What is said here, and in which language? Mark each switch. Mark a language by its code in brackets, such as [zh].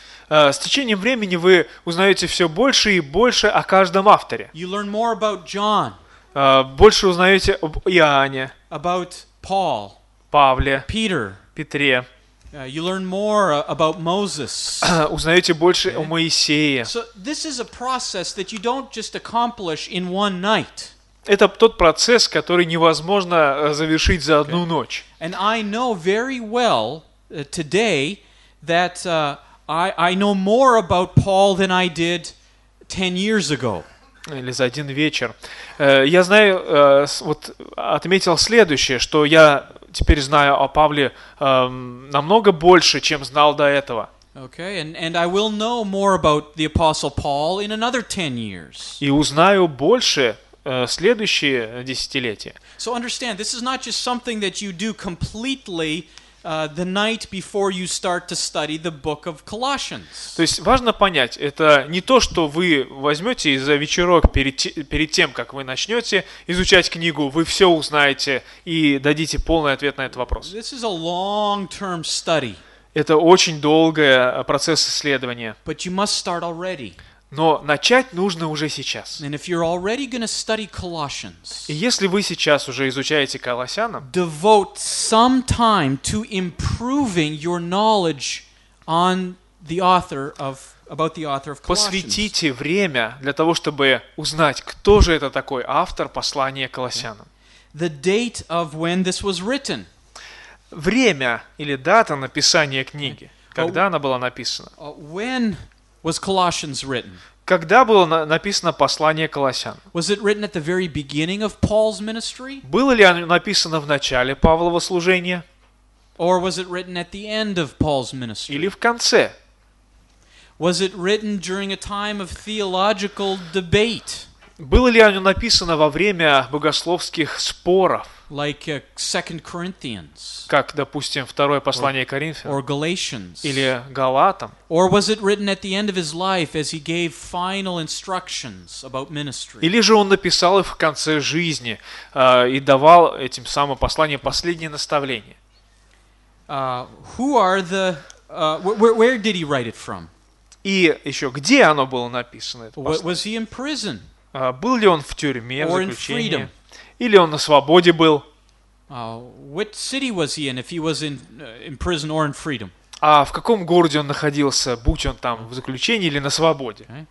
[ru] С течением времени вы узнаете все больше и больше о каждом авторе. [en] You learn more about John. [ru] Больше узнаете об Иоанне. [en] About Paul. [ru] Павле. [en] Peter. [ru] Петре. [en] You learn more about Moses. [ru] Узнаете больше о Моисее. [en] So this is a process that you don't just accomplish in one night. [ru] Это тот процесс, который невозможно завершить за одну ночь. [en] And I know very well today that I know more about Paul than I did 10 years ago. [ru] Или за один вечер. Я знаю, вот отметил следующее, что я теперь знаю о Павле намного больше, чем знал до этого. [en] Okay, and I will know more about the Apostle Paul in another 10 years. [ru] И узнаю больше следующие десятилетия. [en] So understand, this is not just something that you do completely the night before you start to study the book of Colossians. [ru] То есть важно понять, это не то, что вы возьмете и за вечерок перед тем, как вы начнете изучать книгу, вы все узнаете и дадите полный ответ на этот вопрос. [en] This is a long-term study. [ru] Это очень долгий процесс исследования. [en] But you must start already. [ru] Но начать нужно уже сейчас. [en] And if you're already going to study Colossians, [ru] и если вы сейчас уже изучаете Колоссянам, [en] devote some time to improving your knowledge on the author of about the author of Colossians. [ru] Посвятите время для того, чтобы узнать, кто же это такой автор послания Колоссянам. [en] The date of when this was written. [ru] Время или дата написания книги, когда она была написана. [en] When was Colossians written? [ru] Когда было написано послание Колоссян? [en] Was it written at the very beginning of Paul's ministry? [ru] Было ли оно написано в начале Павлова служения? [en] Or was it written at the end of Paul's ministry? [ru] Или в конце [en] Was it written during a time of theological debate? [ru] Было ли оно написано во время богословских споров? [en] Like Second Corinthians. [ru] Как, допустим, второе послание Коринфянам. [en] Or Galatians. [ru] Или Галатам. [en] Or was it written at the end of his life as he gave final instructions about ministry? [ru] Или же он написал их в конце жизни и давал этим самым посланием последние наставления? [en] Who are the where did he write it from? [ru] И еще, где оно было написано? [en] Was he in prison? [ru] Был ли он в тюрьме, в заключении? Или он на свободе был? [en] Which city was he in, if he was in prison or in freedom? [ru] А в каком городе он находился, будь он там в заключении или на свободе?